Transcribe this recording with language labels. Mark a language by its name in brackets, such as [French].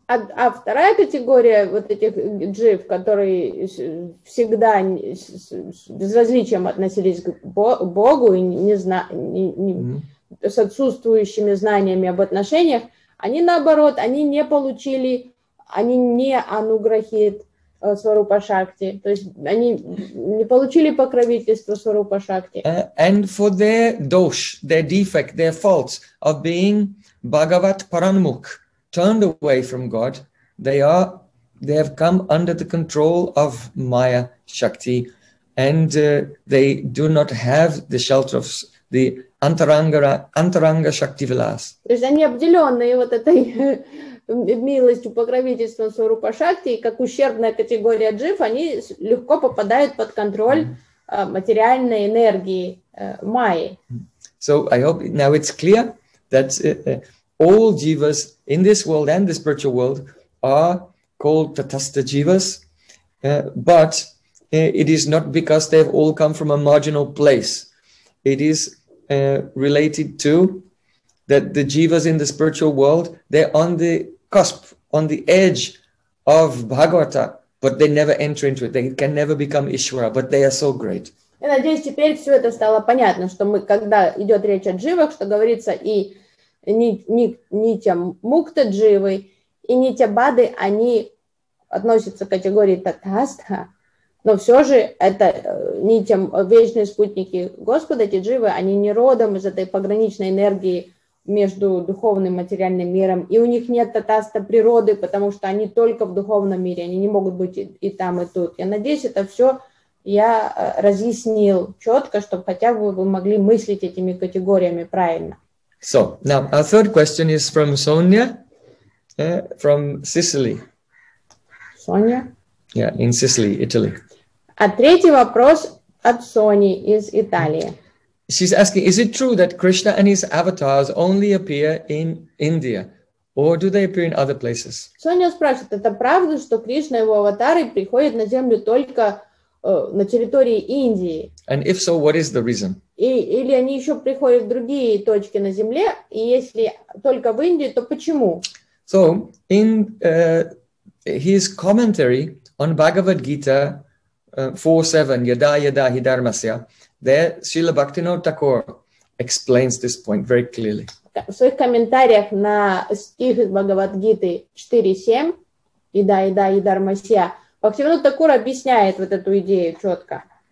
[Russian] А вторая категория вот этих джив, которые всегда без различия относились к Богу и с отсутствующими знаниями об отношениях, они наоборот, они не получили, они не ануграхит Сварупа Шакти, то есть они не получили покровительство Сварупа Шакти. [English] And for their dosh, their defect, their faults of being Bhagavat Paranmukh, turned away from God, they have come under the control of Maya Shakti, and they do not have the shelter of the Antaranga Shakti Vilas. [Russian] То есть они обделенные вот этой милостью, покровительством Сварупа Шакти, и как ущербная категория джив, они легко попадают под контроль материальной энергии Майи. [English] So I hope now it's clear that all jivas in this world and the spiritual world are called tatasta jivas, but it is not because they have all come from a marginal place. It is related to that the jivas in the spiritual world, they're on the cusp, on the edge of Bhagavata, but they never enter into it. They can never become Ishvara, but they are so great. [Russian] Я надеюсь, теперь все это стало понятно, что мы, когда идет речь о дживах, что говорится и нитя мукта дживы и нитя бады, они относится к категории татхаста, но все же это не тем вечные спутники Господа, эти дживы, они не родом из этой пограничной энергии между духовным и материальным миром, и у них нет татхаста природы, потому что они только в духовном мире, они не могут быть и там, и тут. Я надеюсь, это все я разъяснил четко, чтобы хотя бы вы могли мыслить этими категориями правильно. [English] So, now, our third question is from Sonia, from Sicily. Sonia? Yeah, in Sicily, Italy. [Russian] А третий вопрос от Сони из Италии. [English] She's asking, is it true that Krishna and his avatars only appear in India, or do they appear in other places? [Russian] Sonia спрашивает, это правда, что Кришна и его аватары приходят на землю только на территории Индии? [English] And if so, what is the reason? [Russian] Или они еще приходят в другие точки на земле, и если только в Индии, то почему? [English] So, in his commentary on Bhagavad Gita 4.7, [Sanskrit] Yada Yada Hidharmasya, [English] there Srila Bhaktivinoda Thakur explains this point very clearly. [Russian] В своих комментариях на стих из Бхагавад Гиты 4.7, [Sanskrit] Yada Yada Hidharmasya, [Russian] Бхактивинода Такур объясняет вот эту идею четко.